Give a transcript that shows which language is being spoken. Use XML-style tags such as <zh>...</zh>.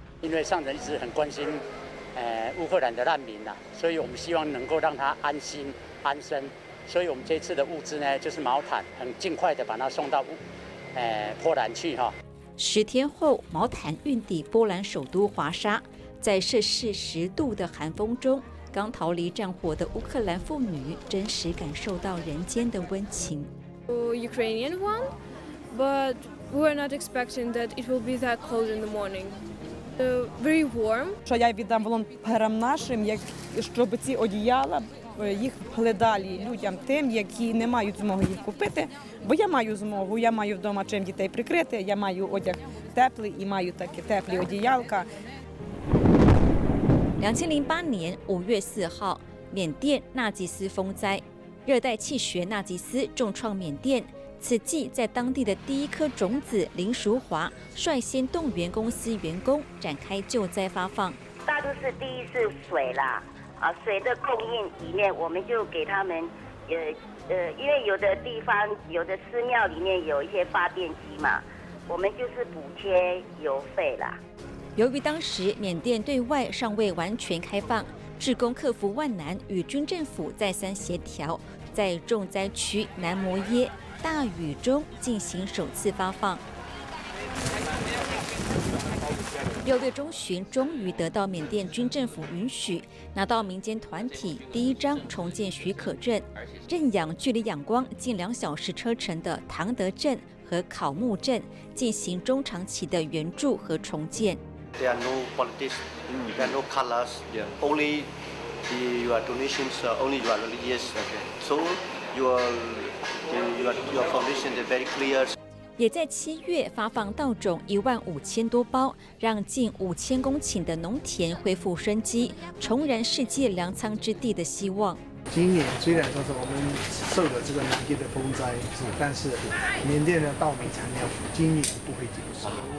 <zh>因为上人一直很关心，乌克兰的难民呐、所以我们希望能够让他安心安身，所以我们这次的物资呢，就是毛毯，很尽快的把它送到波兰去哈。 10天后，毛毯运抵波兰首都华沙，在摄氏10度的寒风中，刚逃离战火的乌克兰妇女真实感受到人间的温情。</zh> <en>Ukrainian one, but we were not expecting that it will be that cold in the morning. Very warm.</en> <uk>Що я віддам волонтерам нашим, як щоб ці одіяла їх вгледали людям тим, які не мають змоги їх купити. Бо я маю змогу, я маю вдома чим дітей прикрити, я маю одяг теплий і маю такі теплі одіялка.</uk> <zh>2008年5月4号，缅甸纳吉斯风灾，热带气旋纳吉斯重创缅甸。此际在当地的第一颗种子林淑华率先动员公司员工展开救灾发放。大都是第一次水啦，水的供应里面，我们就给他们因为有的地方有的寺庙里面有一些发电机嘛，我们就是补贴油费啦。由于当时缅甸对外尚未完全开放，志工克服万难，与军政府再三协调，在重灾区南摩耶大雨中进行首次发放。 6月中旬，终于得到缅甸军政府允许，拿到民间团体第一张重建许可证。认养距离仰光近2小时车程的唐德镇和考木镇，进行中长期的援助和重建。</zh> <en>There are no politics, there are no colors, only the your donations, only your religious. So your foundation is very clear.</en> <zh>也在七月发放稻种15000多包，让近5000公顷的农田恢复生机，重燃世界粮仓之地的希望。今年虽然说是我们受了这个南边的风灾，但是缅甸的稻米产量今年不会减少。</zh>